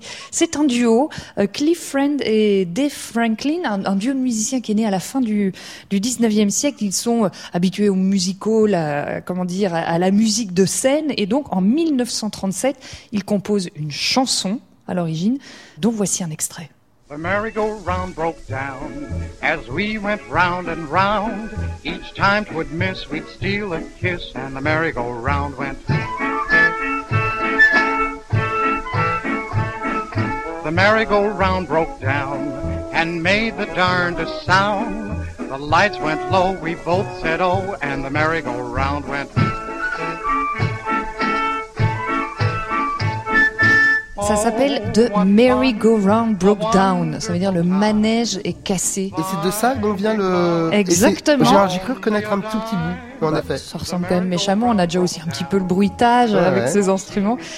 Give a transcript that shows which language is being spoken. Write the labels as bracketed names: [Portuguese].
[French] C'est un duo, Cliff Friend et Dave Franklin, un duo de musiciens qui est né à la fin du 19e siècle. Ils sont habitués aux musicals, à la musique de scène. Et donc, en 1937, ils composent une chanson à l'origine, dont voici un extrait. [English] The merry-go-round broke down as we went round and round. Each time t'would miss, we'd steal a kiss, and the merry-go-round went. The merry-go-round broke down and made the darndest sound. The lights went low, we both said oh, and the merry-go-round went. [French] Ça s'appelle The Merry-Go-Round Broke Down. Ça veut dire le manège est cassé. Et c'est de ça dont vient le... Exactement. J'ai cru reconnaître un tout petit bout. Ça ressemble quand même méchamment. On a déjà aussi un petit peu le bruitage avec ces instruments.